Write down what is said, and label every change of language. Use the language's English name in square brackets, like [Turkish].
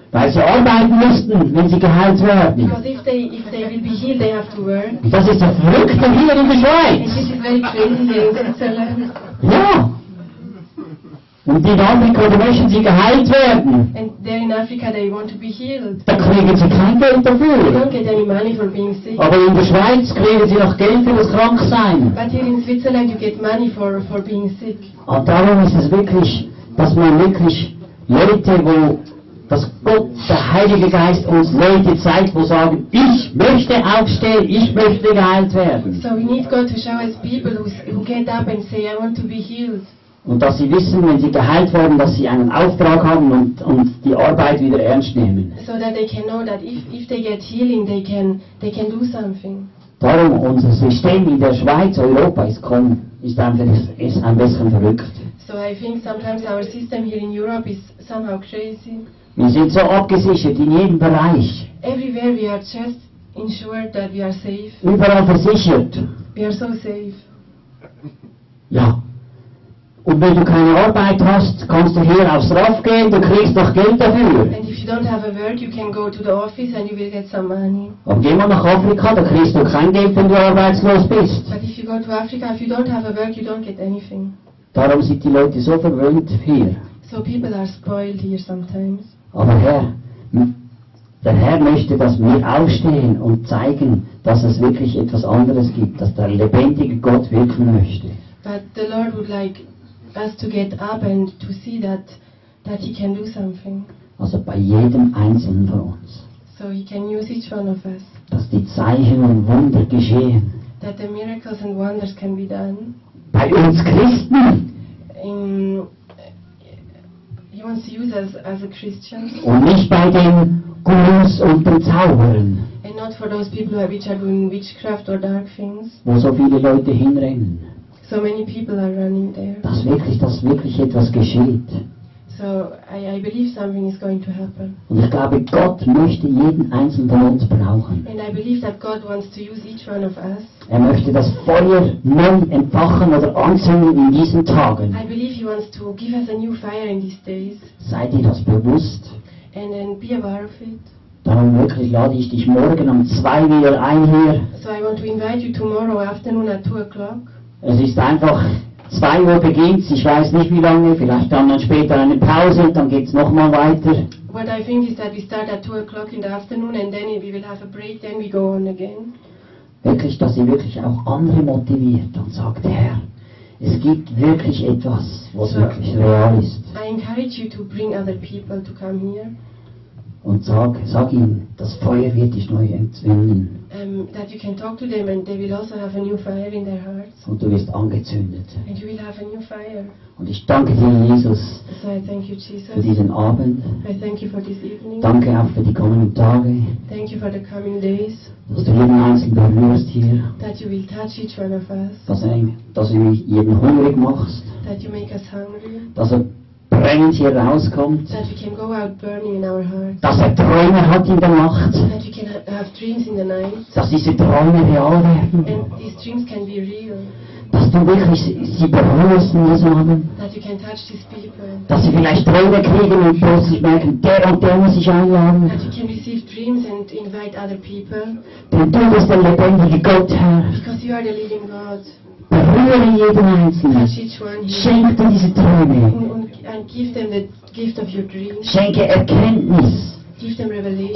[German] Weil sie arbeiten müssten, wenn sie geheilt werden. [English] Because if they will be healed, they have to work. [German] Das ist ja verrückt hier in der Schweiz. [English] And this is very crazy here in Switzerland. [German] Ja. Und in Afrika, da möchten sie geheilt werden. [English] And there in Africa, they want to be healed. [German] Da kriegen sie kein Geld dafür. [English] They don't get any money for being sick. [German] Aber in der Schweiz kriegen sie noch Geld für das Kranksein. [English] But here in Switzerland, you get money for being sick. [German] Und darum ist es wirklich, dass man wirklich Leute, wo dass Gott, der Heilige Geist, uns Leute zeigt, wo sagen, ich möchte aufstehen, ich möchte geheilt werden. [English] So we need God to show us people who get up and say, I want to be healed. [German] Und dass sie wissen, wenn sie geheilt werden, dass sie einen Auftrag haben und die Arbeit wieder ernst nehmen. [English] So that they can know that if they get healing, they can do something. [German] Darum, unser System in der Schweiz, Europa, ist ein bisschen verrückt. [English] So I think sometimes our system here in Europe is somehow crazy. [German] Wir sind so abgesichert in jedem Bereich. [English] Everywhere we are just ensured that we are safe. [German] Überall versichert. [English] We are so safe. [German] Ja. Und wenn du keine Arbeit hast, kannst du hier aufs Raff gehen, du kriegst noch Geld dafür. [English] And if you don't have a work, you can go to the office and you will get some money. [German] Aber geh mal nach Afrika, da kriegst du kein Geld, wenn du arbeitslos bist. [English] But if you go to Africa, if you don't have a work, you don't get anything. [German] Darum sind die Leute so verwöhnt hier. [English] So people are spoiled here sometimes. [German] Aber Herr, der Herr möchte, dass wir aufstehen und zeigen, dass es wirklich etwas anderes gibt, dass der lebendige Gott wirken möchte. [English] But the Lord would like us to get up and to see that he can do something. [German] Also bei jedem Einzelnen von uns. [English] So he can use each one of us. [German] Dass die Zeichen und Wunder geschehen. [English] That the miracles and wonders can be done. [German] Bei uns Christen. [English] He wants to use us as a Christian. [German] Und nicht bei den Gurus und den Zauberern. [English] And not for those people which are doing witchcraft or dark things. [German] Wo so viele Leute hinrennen. [English] So many people are running there. [German] Dass wirklich etwas geschieht. [English] So I believe something is going to happen. [German] Und ich glaube, Gott möchte jeden Einzelnen von uns brauchen. [English] And I believe that God wants to use each one of us. [German] Er möchte das Feuer neu entfachen oder anzünden in diesen Tagen. [English] I believe he wants to give us a new fire in these days. [German] Sei dir das bewusst. [English] And then be aware of it. [German] Darum wirklich lade ich dich morgen um 2 wieder ein hier. [English] So I want to invite you tomorrow afternoon at 2:00. [German] Es ist einfach, 2 Uhr beginnt es, ich weiß nicht wie lange, vielleicht haben wir später eine Pause und dann geht es nochmal weiter. [English] What I think is that we start at 2:00 in the afternoon and then we will have a break, then we go on again. [German] Wirklich, dass sie wirklich auch andere motiviert und sagt, Herr, es gibt wirklich etwas, was so wirklich real ist. [English] I encourage you to bring other people to come here. [German] Und sag ihnen, das Feuer wird dich neu entzünden. [English] That you can talk to them and they will also have a new fire in their hearts. [German] Und du wirst angezündet. [English] And you will have a new fire. [German] Und ich danke dir, Jesus, [English] so I thank you, Jesus, [German] für diesen Abend. [English] I thank you for this evening. [German] Danke auch für die kommenden Tage. [English] Thank you for the coming days. [German] Dass du jeden Einzelnen berührst hier. [English] That you will touch each one of us. [German] Dass du jeden hungrig machst. [English] That you make us hungry. [German] Dass er brennend hier rauskommt. [English] That we can go out burning in our hearts. [German] Dass er Träume hat in der Nacht. [English] That we can have dreams in the night. [German] Dass diese Träume real werden. [English] And these dreams can be real. [German] Dass du wirklich sie berührst in diesem Abend. [English] That you can touch these people. [German] Dass sie vielleicht Träume kriegen und plötzlich merken, der und der muss ich einladen. [English] That you can receive dreams and invite other people. [German] Denn du bist der lebendige Gott, Herr. [English] Because you are the living God. [German] Berühre jeden Einzelnen. Schenke dir diese Träume. [English] And give them the gift of your dreams. [German] Schenke Erkenntnis. [English] Give them revelation.